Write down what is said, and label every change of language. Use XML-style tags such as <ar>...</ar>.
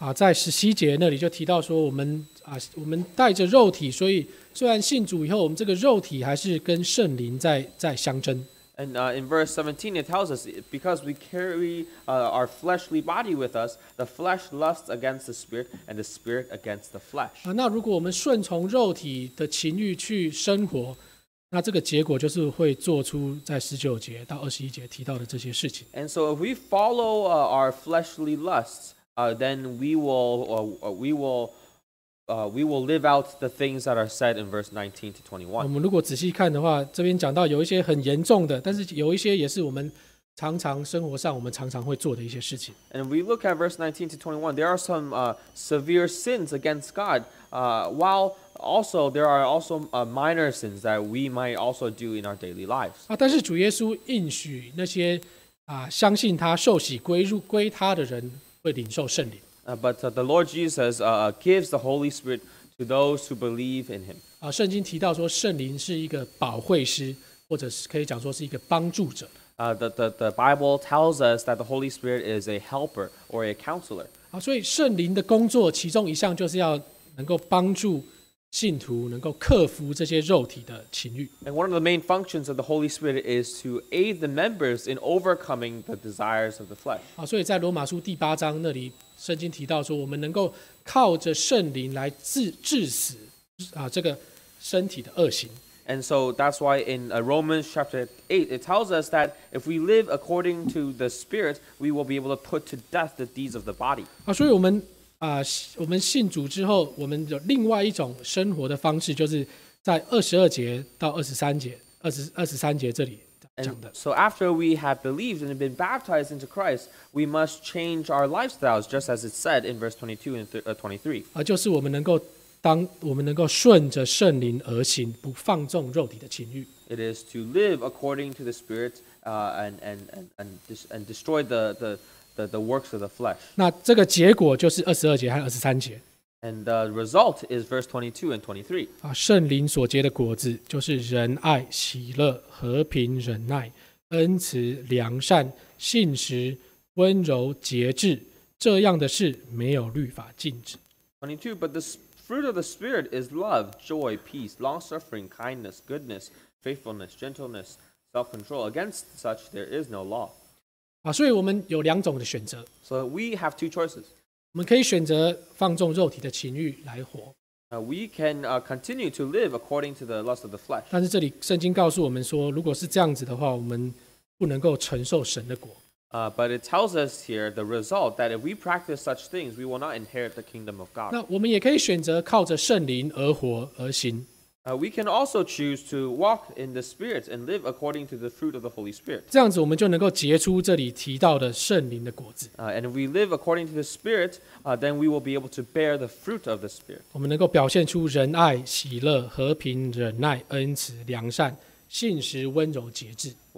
<zh>在十七节那里就提到说，我们带着肉体，所以虽然信主以后，我们这个肉体还是跟圣灵在相争。</zh> <en>And in verse 17, it tells us, because we carry our fleshly body with us, the flesh lusts against the spirit, and the spirit against the flesh.</en> <zh>那如果我们顺从肉体的情欲去生活，那这个结果就是会做出在十九节到二十一节提到的这些事情。</zh> <en>And so if we follow our fleshly lusts, then we will live out the things that are said in verse 19 to 21.</en> <zh>我们如果仔细看的话，这边讲到有一些很严重的，但是有一些也是我们常常生活上我们常常会做的一些事情。</zh> <en>And we look at verse 19 to 21, there are some severe sins against God, while also there are also minor sins that we might also do in our daily lives.</en> <zh>但是主耶稣应许那些相信他受洗归他的人会领受圣灵。</zh> <en>But the Lord Jesus gives the Holy Spirit to those who believe in Him.</en> <zh>圣经提到说圣灵是一个保惠师，或者是可以讲说是一个帮助者。</zh> <en>The Bible tells us that the Holy Spirit is a helper or a counselor.</en> <zh>所以圣灵的工作其中一项就是要能够帮助信徒能够克服这些肉体的情欲。</zh> <en>And one of the main functions of the Holy Spirit is to aid the members in overcoming the desires of the flesh.</en> <zh>所以在罗马书第八章那里圣经提到说我们能够靠着圣灵来治死这个身体的恶行。</zh> <en>And so that's why in Romans chapter 8, it tells us that if we live according to the Spirit, we will be able to put to death the deeds of the body.</en> <zh>所以我们信主之后，我们有另外一种生活的方式，就是在22节到23节，23节这里讲的。</zh> <en>So after we have believed and have been baptized into Christ, we must change our lifestyles, just as it said in verse 22 and 23.</en> <zh>就是我们能够当我们能够顺着圣灵而行，不放纵肉体的情欲。</zh> <en>It is to live according to the Spirit, and destroy the works of the flesh.</en> <zh>那这个结果就是二十二节和二十三节。</zh> <en>And the result is verse 22 and 23.</en> <zh>圣灵所结的果子就是仁爱、喜乐、和平、忍耐、恩慈、良善、信实、温柔、节制。这样的事没有律法禁止。</zh> <en>22, but this. Fruit of the Spirit is love, joy, peace, long-suffering, kindness, goodness, faithfulness, gentleness, self-control. Against such there is no law.</en> <zh>所以我们有两种的选择。</zh> <en>So we have two choices.</en> <zh>我们可以选择放纵肉体的情欲来活。</zh> <en>We can continue to live according to the lust of the flesh.</en> <zh>但是这里圣经告诉我们说，如果是这样子的话，我们不能够承受神的果。</zh> <en>But it tells us here the result that if we practice such things, we will not inherit the kingdom of God.</en> <zh>那我们也可以选择靠着圣灵而活而行。</zh> <en>We can also choose to walk in the Spirit and live according to the fruit of the Holy Spirit.</en> <zh>这样子我们就能够结出这里提到的圣灵的果子。</zh> <en>And if we live according to the Spirit, then we will be able to bear the fruit of the Spirit.</en> <zh>我们能够表现出仁爱、喜乐、和平、忍耐、恩慈、良善、信实、温柔、节制。</zh>